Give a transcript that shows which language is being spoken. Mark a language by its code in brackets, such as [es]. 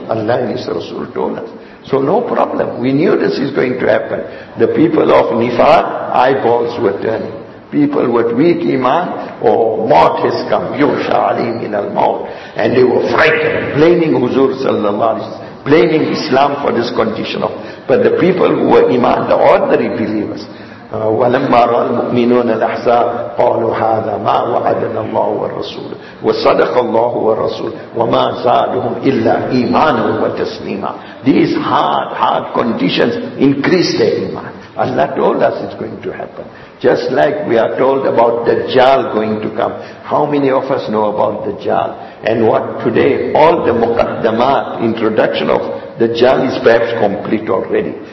[en] Allah and His Rasul told us. So no problem. We knew this is going to happen. The people of Nifaq, eyeballs were turning. People with weak iman, or maut has come. Yusha alim in al maut. And they were frightened, blaming Huzur sallallahu alayhi wa sallam, blaming Islam for this condition of. But the people who were iman, the ordinary believers, [ar] وَلَمَّا رَى الْمُؤْمِنُونَ الْأَحْزَابِ قَالُوا هَذَا مَا وَعَدَنَ اللَّهُ وَالرَّسُولُ وَصَدَقَ اللَّهُ وَالرَّسُولُ وَمَا زَادُهُمْ إِلَّا إِيمَانًا وَتَسْلِيمًا. [en] These hard, hard conditions increase their iman. Allah told us it's going to happen. Just like we are told about Dajjal going to come. How many of us know about Dajjal? And what today, all the muqaddamat, introduction of Dajjal is perhaps complete already.